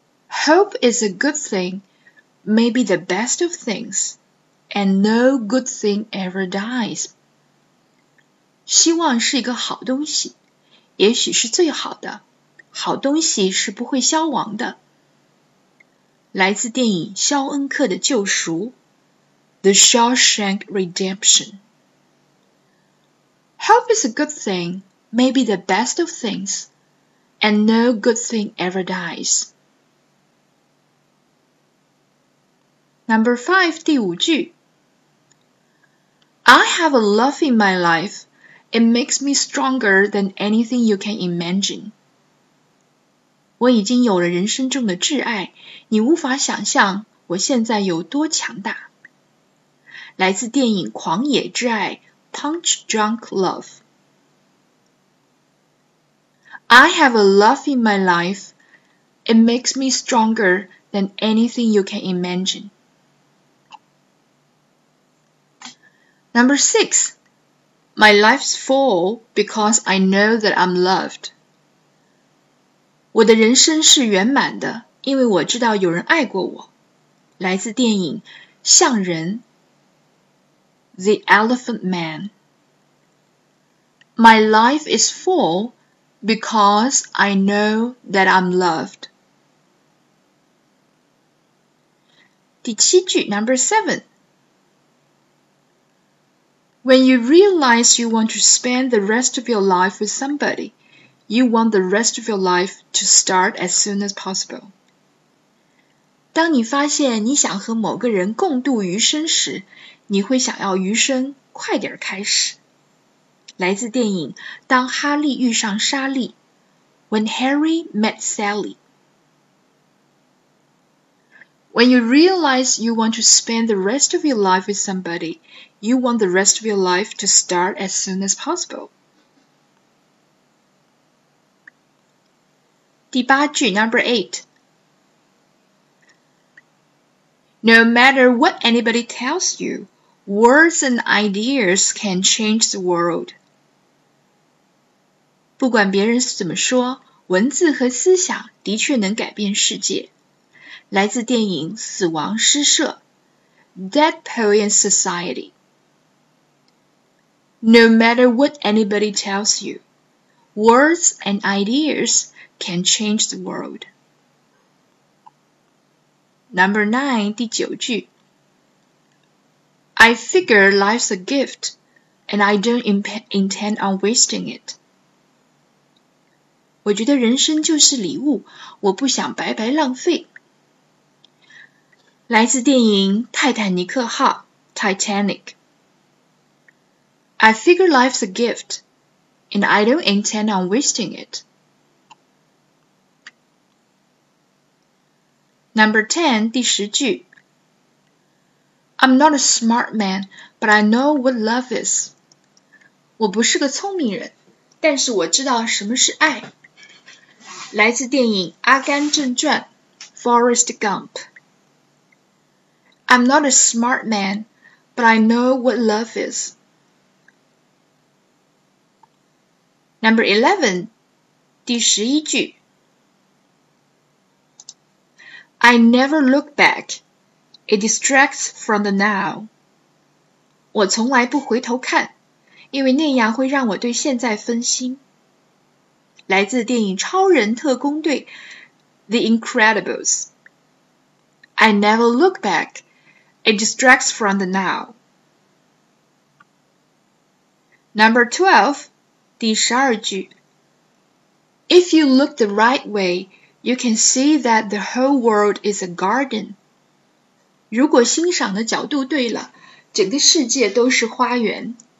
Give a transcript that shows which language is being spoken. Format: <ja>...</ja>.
<en>Hope is a good thing, maybe the best of things, and no good thing ever dies.</en> <zh>希望是一个好东西，也许是最好的，好东西是不会消亡的。来自电影《肖恩克的救赎》The Shawshank Redemption.</zh> <en>Hope is a good thing. Maybe the best of things, and no good thing ever dies. Number five,</en> <zh>第五句。</zh> <en>I have a love in my life. It makes me stronger than anything you can imagine.</en> <zh>我已经有了人生中的挚爱，你无法想象我现在有多强大。来自电影《狂野之爱》Punch Drunk Love.</zh> <en>I have a love in my life. It makes me stronger than anything you can imagine. Number six. My life's full because I know that I'm loved.</en> <zh>我的人生是圆满的，因为我知道有人爱过我。来自电影《象人》The Elephant Man.</zh> <en>My life is full.Because I know that I'm loved.</en> <zh>第七句 ,</zh> <en>number seven. When you realize you want to spend the rest of your life with somebody, you want the rest of your life to start as soon as possible.</en> <zh>当你发现你想和某个人共度余生时，你会想要余生快点开始。来自电影《当哈利遇上莎莉》When Harry met Sally.</zh> <en>When you realize you want to spend the rest of your life with somebody, you want the rest of your life to start as soon as possible.</en> <zh>第八句 ,</zh> <en>number eight. No matter what anybody tells you, words and ideas can change the world.</en> <zh>不管别人怎么说，文字和思想的确能改变世界。来自电影《死亡诗社》</zh> <en>（Dead Poets Society）。 No matter what anybody tells you, words and ideas can change the world. Number nine，</en> <zh>第九句。</zh> <en>I figure life's a gift, and I don't intend on wasting it.</en> <zh>我觉得人生就是礼物，我不想白白浪费。来自电影《泰坦尼克号》（Titanic）。</zh> <en>I figure life's a gift, and I don't intend on wasting it. Number ten，</en> <zh>第十句。</zh> <en>I'm not a smart man, but I know what love is.</en> <zh>我不是个聪明人，但是我知道什么是爱。来自电影《阿甘正传》</zh> <en>（Forrest Gump）。 I'm not a smart man, but I know what love is. Number 11，</en> <zh>第十一句。</zh> <en>I never look back. It distracts from the now.</en> <zh>我从来不回头看，因为那样会让我对现在分心。来自电影《超人特工队》</zh> <en>The Incredibles. I never look back. It distracts from the now. Number 12,</en> <zh>第十二句。</zh> <en>If you look the right way, you can see that the whole world is a garden.</en> <zh>如果欣赏的角度对了，整个世界都是花园。</zh>